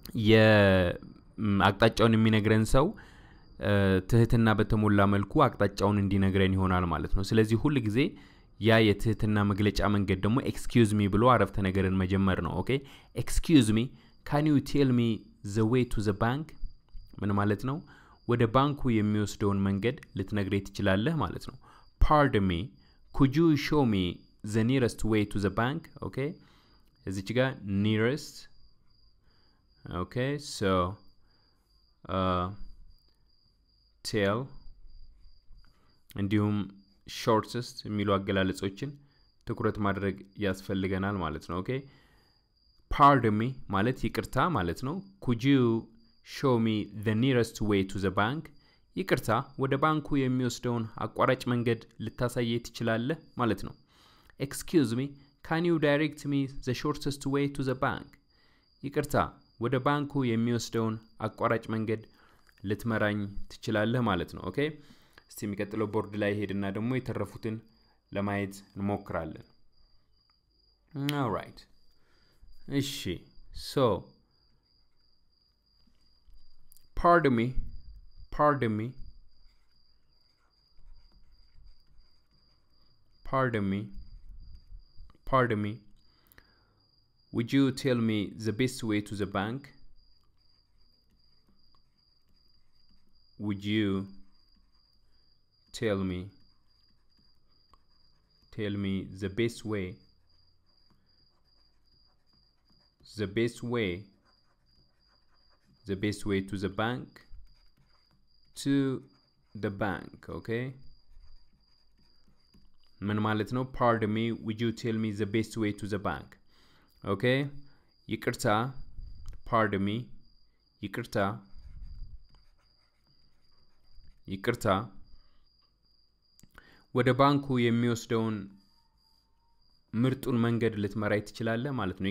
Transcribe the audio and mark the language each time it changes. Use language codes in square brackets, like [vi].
[am] የአቅጣጫውን የሚነግረን ሰው ትህትና በተሞላ መልኩ አቅጣጫውን እንዲነግረን ይሆናል ማለት ነው። ስለዚህ ሁሉ ጊዜ ያ የትህትና መግለጫ መንገድ ደግሞ [en] excuse me ብሎ አረፍተ ነገርን መጀመር ነው። ኦኬ excuse me can you tell me the way to the bank? [am] ምን ማለት ነው? ወደ ባንኩ የሚወስደውን መንገድ ልትነግረኝ ትችላለህ ማለት ነው። [en] pardon me could you show me the nearest way to the bank? [am] ኦኬ እዚች ጋ nearest okay so tell እንዲሁም shortest የሚሉ አገላለጾችን ትኩረት ማድረግ ያስፈልገናል ማለት ነው። ኦኬ pardon me ማለት ይቅርታ ማለት ነው። [en] could you show me the nearest way to the bank? [am] ይቅርታ ወደ ባንኩ የሚወስደውን አቋራጭ መንገድ ልታሳይ ትችላለህ ማለት ነው። [en] excuse me can you direct me the shortest way to the bank? [am] ይቅርታ ወደ ባንኩ የሚወስደውን አቋራጭ መንገድ ልትመራኝ ትችላለህ ማለት ነው። ኦኬ እስቲ የሚቀጥለው ቦርድ ላይ ሄድና ደግሞ የተረፉትን ለማየት እንሞክራለን። all right እሺ so pardon me [en] Pardon me. Would you tell me the best way to the bank? Tell me the best way. The best way to the bank. To the bank, okay? [am] ምን ማለት ነው? [en] Pardon me, would you tell me the best way to the bank? Okay? [am] ይቅርታ, [en] pardon me, [am] ይቅርታ. ወደ ባንኩ የሚወስደውን ምርጡን መንገድ ልትመራይ ትችላለህ ማለት ነው?